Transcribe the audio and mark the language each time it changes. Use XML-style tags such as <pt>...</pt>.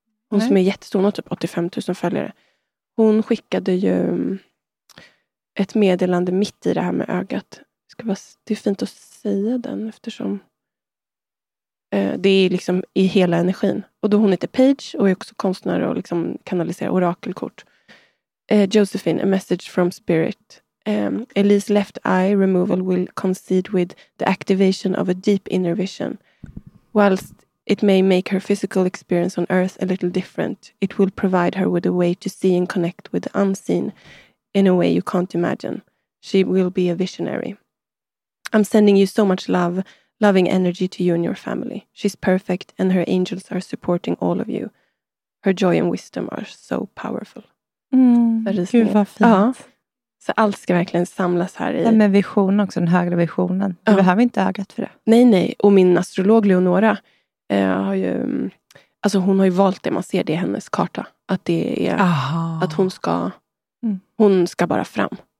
<sv>Hon Nej. Som är jättestor, hon har typ 85 000 följare. Hon skickade ju ett meddelande mitt i det här med ögat. Det är fint att säga den eftersom det är liksom i hela energin. Och då hon heter Paige och är också konstnär och liksom kanaliserar orakelkort.</sv> <en>Josephine, a message from spirit. Elise left eye removal will coincide with the activation of a deep inner vision. Whilst it may make her physical experience on earth a little different, it will provide her with a way to see and connect with the unseen in a way you can't imagine. She will be a visionary. I'm sending you so much love, loving energy to you and your family. She's perfect and her angels are supporting all of you. Her joy and wisdom are so powerful.</en> <sv>Gud vad fint. Ja. Så allt ska verkligen samlas här i. Den med vision också, den högre visionen. Du behöver inte ögat för det. Nej, nej. Och min astrolog Leonora har ju, alltså hon har ju valt det, man ser det i hennes karta. Att det är, att hon ska, hon ska bara fram.</sv>